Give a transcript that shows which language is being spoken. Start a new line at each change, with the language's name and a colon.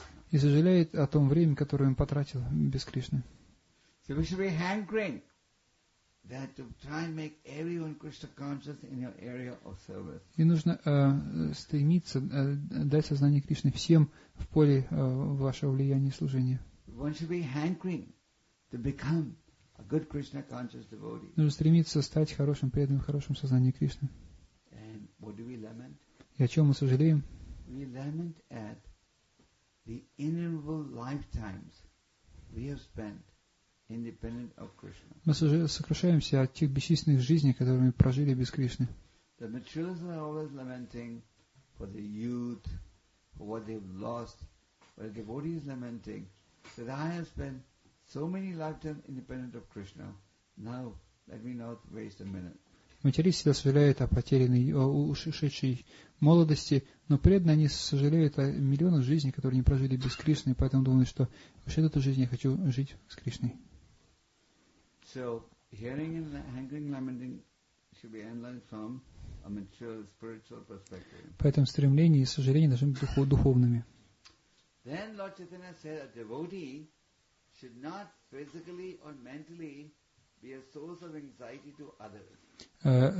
Russian: И сожалеет о том времени, которое он потратил без Кришны.
English: So we should be hankering that to try and make everyone Krishna conscious in your area of service.
Russian: И нужно стремиться дать сознание Кришны всем в поле вашего влияния и служения.
English: One should be hankering to become a good Krishna conscious devotee.
Russian: Нужно стремиться стать хорошим преданным, хорошим сознанием Кришны.
English: And what do we lament?
Russian: И о чем мы сожалеем?
English: We lament at the innumerable lifetimes we have spent independent of Krishna.
Russian: Мы сокрушаемся о тех бесчисленных жизнях, которые мы прожили без Кришны.
English: The materialists are always lamenting for the youth, for what they've lost. But the devotee is lamenting that I have spent so many lifetimes independent of Krishna. Now, let me not waste a minute.
Russian: Материалист всегда сожалеет о потерянной, о ушедшей молодости, но преданные они сожалеют о миллионах жизней, которые не прожили без Кришны, поэтому думают, что вообще эту жизнь я хочу жить с Кришной.
English: So, hearing and hankering and lamenting should be analyzed from a material spiritual perspective.
Russian: Поэтому стремление и сожаление должны быть духовными.
English: Then Lord Chaitanya said a devotee should not physically or mentally be a source of anxiety to others.